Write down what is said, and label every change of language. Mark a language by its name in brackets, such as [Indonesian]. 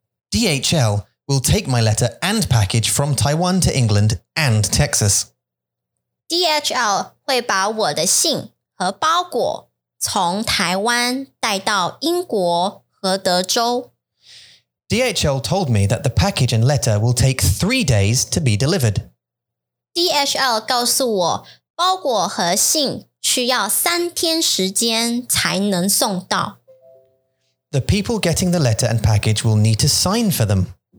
[English] DHL will take my letter and package from Taiwan to England and Texas. [Chinese] DHL 会把我的信和包裹从台湾带到英国和德州. [English] DHL told me that the package and letter will take 3 days to be delivered. [Chinese] DHL 告诉我包裹和信 需要3天时间才能送到. [English] The people getting the letter and package will need to sign for them.